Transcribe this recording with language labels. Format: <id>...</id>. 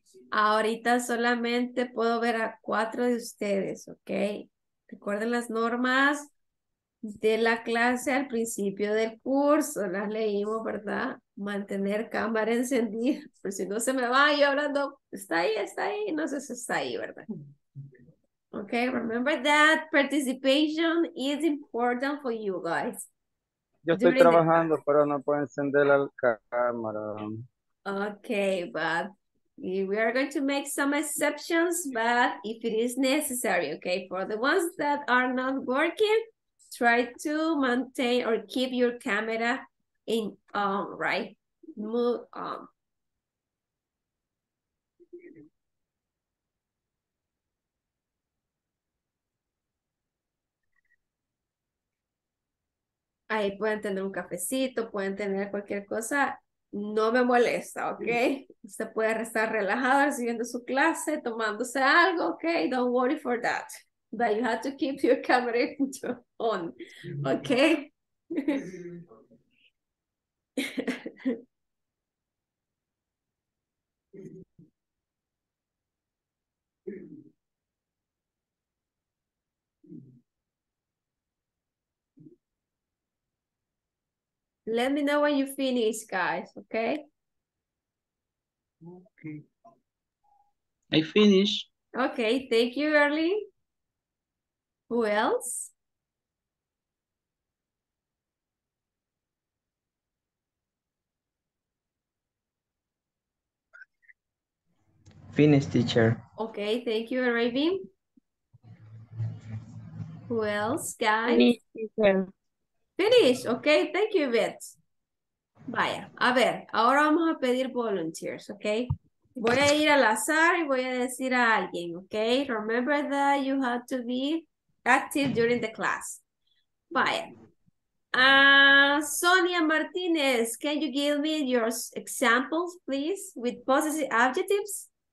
<es>Ahorita solamente puedo ver a cuatro de ustedes, ¿ok? Recuerden las normas de la clase al principio del curso, las leímos, ¿verdad? Mantener cámara encendida, por si no se me va yo hablando, está ahí, no sé si está ahí, ¿verdad?</es> <en>Okay, remember that participation is important for you guys.</en> <es>Yo estoy trabajando, pero no puedo encender la cámara.</es> <en>Okay, but we are going to make some exceptions, but if it is necessary, okay, for the ones that are not working, try to maintain or keep your camera in on, right? Move on.</en> <es>Ahí pueden tener un cafecito, pueden tener cualquier cosa. No me molesta, ¿ok? Usted puede estar relajado siguiendo su clase, tomándose algo, ¿ok?</es> <en>Don't worry for that. But you have to keep your camera on, ¿ok? Let me know when you finish, guys, okay? Okay. I finish. Okay, thank you, Early. Who else? Finish, teacher. Okay, thank you, Arabian. Who else, guys? Finish, teacher. Finish, okay, thank you,</en> <es>Beth. Vaya, a ver, ahora vamos a pedir volunteers, okay? Voy a ir al azar y voy a decir a alguien, ¿ok?</es> <en>Remember that you have to be active during the class. Vaya. Sonia Martinez, can you give me your examples, please, with possessive adjectives?</en>